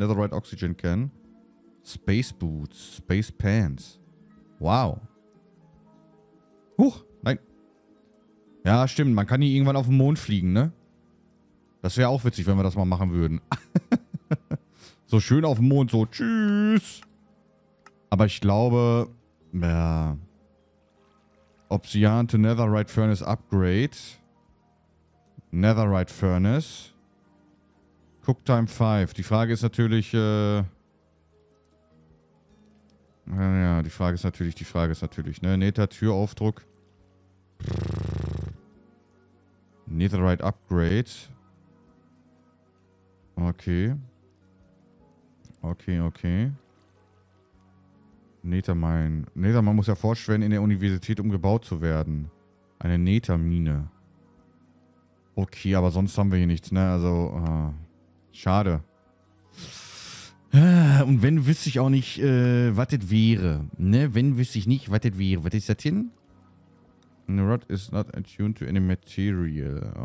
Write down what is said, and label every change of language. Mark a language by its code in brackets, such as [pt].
[de] Netherite Oxygen Can. Space Boots, Space Pants. Wow. Huch, nein. Ja, stimmt, man kann hier irgendwann auf den Mond fliegen, ne? Das wäre auch witzig, wenn wir das mal machen würden. So schön auf dem Mond, so tschüss. Aber ich glaube... Ja. [en] Obsidian to Netherite Furnace Upgrade. Netherite Furnace. Cooktime 5. [de] Die Frage ist natürlich, ja, die Frage ist natürlich, ne? Nether Türaufdruck. [en] Netherite Upgrade. [de] Okay. Nethermine muss ja erforscht werden in der Universität, um gebaut zu werden. Eine Nethermine. Okay, aber sonst haben wir hier nichts, ne? Also, schade. Und wenn, wüsste ich auch nicht, was das wäre. Ne, wenn, wüsste ich nicht, was das wäre. Was ist das denn? [en] The rod is not attuned to any material.